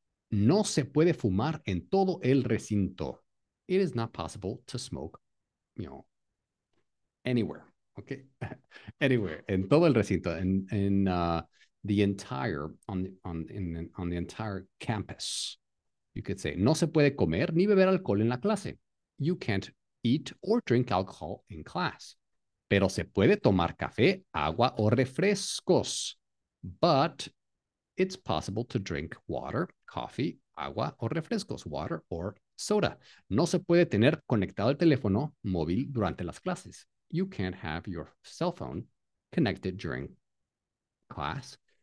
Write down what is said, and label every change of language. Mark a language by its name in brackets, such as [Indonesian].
[Spanish] No se puede fumar en todo el recinto. [English] It is not possible to smoke, you know, anywhere, okay? Anywhere, [Spanish] en todo el recinto, [English] in the entire campus. You could say, [Spanish] no se puede comer ni beber alcohol en la clase. [English] You can't eat or drink alcohol in class. [Spanish] Pero se puede tomar café, agua o refrescos. [English] But it's possible to drink water, coffee, [Spanish] agua o refrescos, [English] water or soda. [Spanish] No se puede tener conectado el teléfono móvil durante las clases. [English] You can't have your cell phone connected during class.